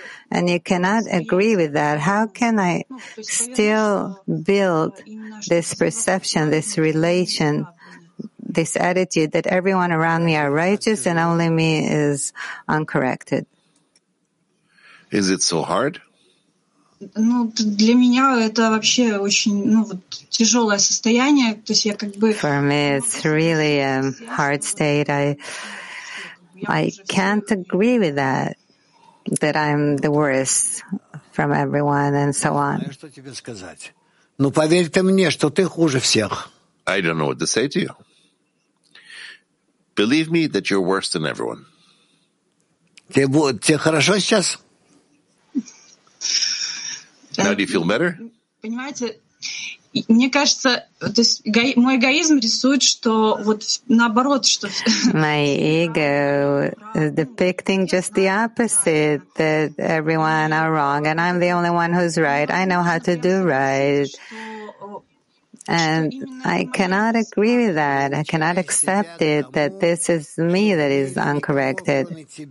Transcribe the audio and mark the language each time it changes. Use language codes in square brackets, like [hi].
[en] And you cannot agree with that. How can I still build this perception, this relation, this attitude that everyone around me are righteous and only me is uncorrected? Is it so hard? [ru] Ну, для меня это вообще очень, ну, вот, тяжелое состояние. То есть я как бы... [en] For me, it's really a hard state. I can't agree with that. That I'm the worst from everyone and so on. [ru] Ну поверь ты мне, что ты хуже всех. [en] I don't know what to say to you. Believe me that you're worse than everyone. [ru] Тебе хорошо сейчас? [en] Now do you feel better? [ru] Понимаете, мне кажется, то есть мой эгоизм рисует, что вот наоборот, что [en] my ego is depicting just the opposite, that everyone are wrong and I'm the only one who's right. I know how to do right. And I cannot agree with that. I cannot accept it, that this is me that is uncorrected.